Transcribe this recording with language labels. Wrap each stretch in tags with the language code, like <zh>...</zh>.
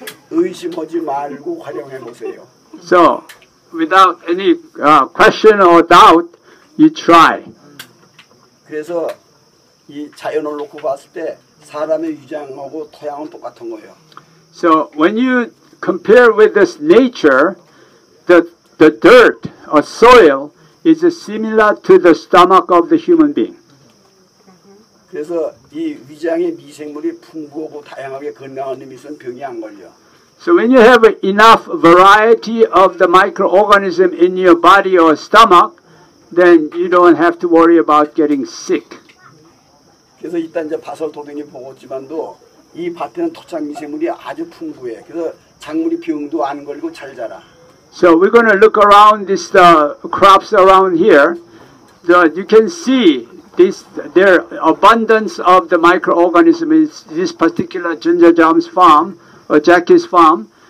<ko>의심하지 말고 활용해 보세요.</ko> <en>So without any question or doubt, you try.</en> <ko>그래서 이 자연을 놓고 봤을 때 사람의 위장하고 토양은 똑같은 거예요.</ko> <en>So when you compare with this nature, the dirt or soil is similar to the stomach of the human being.</en> <ko>그래서 이 위장의 미생물이 풍부하고 다양하게 건강한 이면 병이 안 걸려.</ko> <en>So when you have enough variety of the microorganism in your body or stomach, then you don't have to worry about getting sick.</en> <ko>그래서 일단 이제 바설 도둑이 보고지만도 이 밭에는 토착 미생물이 아주 풍부해. 그래서 작물이 병도 안 걸리고 잘 자라.</ko> <en>So we're going to look around these crops around here. So you can see this their abundance of the microorganisms in this particular Ginger Jam's farm or Jackie's farm.</en>